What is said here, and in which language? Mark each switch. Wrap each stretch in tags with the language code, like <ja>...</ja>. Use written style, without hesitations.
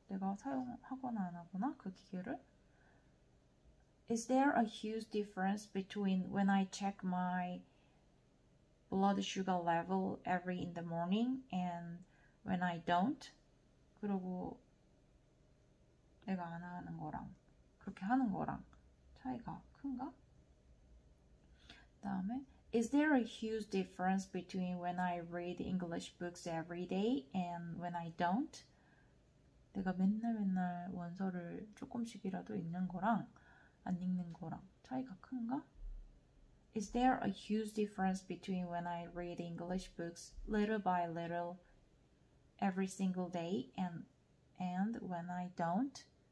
<ko>내가 사용하거나 안 하거나 그 기계를?</ko> <en>Is there a huge difference between when I check my blood sugar level every in the morning and when I don't?</en> <ko>그리고 내가 안 하는 거랑 그렇게 하는 거랑 차이가 큰가? 다음에</ko> <en>Is there a huge difference between when I read English books every day and when I don't?</en> <ko>내가 맨날 원서를 조금씩이라도 읽는 거랑 안 읽는 거랑 차이가 큰가?</ko> <en>Is there a huge difference between when I read English books little by little every single day and when I don't?</en>